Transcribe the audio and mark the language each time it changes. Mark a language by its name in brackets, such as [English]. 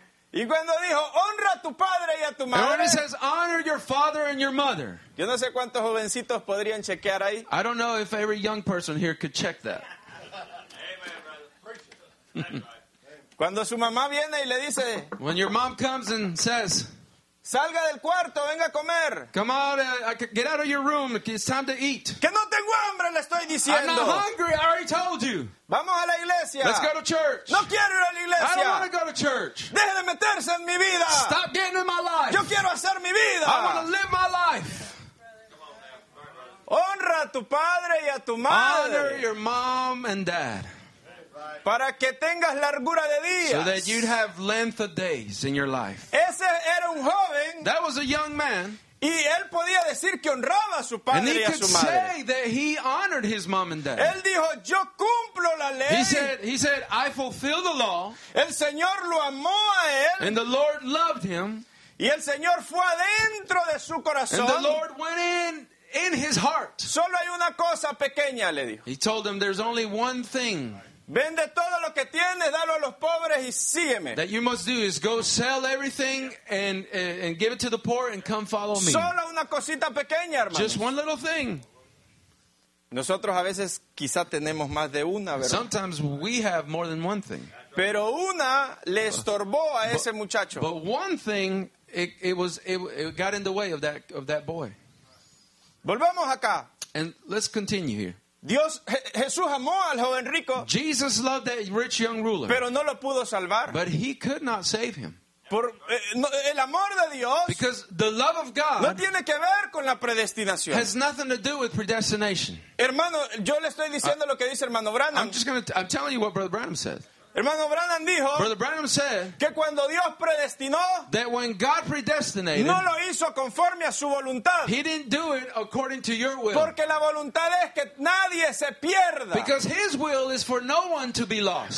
[Spanish] Y cuando dijo, honra a tu padre y a tu madre. [English] And when he says, honor your father and your mother. [Spanish] Yo no sé cuántos jovencitos podrían chequear ahí. [English] I don't know if every young person here could check that. [Spanish] Cuando su mamá viene y le dice, [English] when your mom comes and says, [Spanish] salga del cuarto, venga a comer. [English] Come out, get out of your room, it's time to eat. [Spanish] Que no tengo hambre, le estoy diciendo. [English] I'm not hungry, I already told you. [Spanish] Vamos a la iglesia. [English] Let's go to church. [Spanish] No quiero ir a la iglesia. [English] I don't want to go to church. [Spanish] Deje de meterse en mi vida. [English] Stop getting in my life. [Spanish] Yo quiero hacer mi vida. [English] I want to live my life. [Spanish] Honra a tu padre y a tu madre. [English] Honor your mom and dad. [Spanish] Para que tengas largura de días. [English] So that you'd have length of days in your life. [Spanish] Ese era un joven. [English] That was a young man. [Spanish] Y él podía decir que honraba a su padre y a su madre. [English] And he could say that he honored his mom and dad. [Spanish] Él dijo, yo cumplo la ley. [English] He said, I fulfill the law. [Spanish] El Señor lo amó a él. [English] And the Lord loved him. [Spanish] Y el Señor fue adentro de su corazón. [English] And the Lord went in his heart. [Spanish] Solo hay una cosa pequeña, le dijo. [English] He told him, there's only one thing. [Spanish] Vende todo lo que tienes, dalo a los pobres y sígueme. [English] That you must do is go sell everything and give it to the poor and come follow me. [Spanish] Solo una cosita pequeña, hermanos. [English] Just one little thing. [Spanish] Nosotros a veces quizá tenemos más de una, ¿verdad? [English] Sometimes we have more than one thing. [Spanish] Pero una le estorbó a ese muchacho. [English] But one thing it got in the way of that boy. [Spanish] Volvemos acá. [English] And let's continue here. [Spanish] Dios, Jesús amó al joven rico. [English] Jesus loved that rich young ruler. [Spanish] Pero no lo pudo salvar. [English] But he could not save him. [Spanish] Por, no, el amor de Dios. [English] Because the love of God. [Spanish] No tiene que ver con la predestinación. [English] Has nothing to do with predestination. [Spanish] Hermano, yo le estoy diciendo lo que dice hermano Branham. [English] I'm telling you what Brother Branham said. [Spanish] Hermano Branham dijo. [English] Brother Branham said. [Spanish] Que cuando Dios predestinó. [English] That when God predestinated. [Spanish] No lo hizo conforme a su voluntad. [English] He didn't do it according to your will. [Spanish] Porque la voluntad es que nadie se pierda. [English] Because his will is for no one to be lost.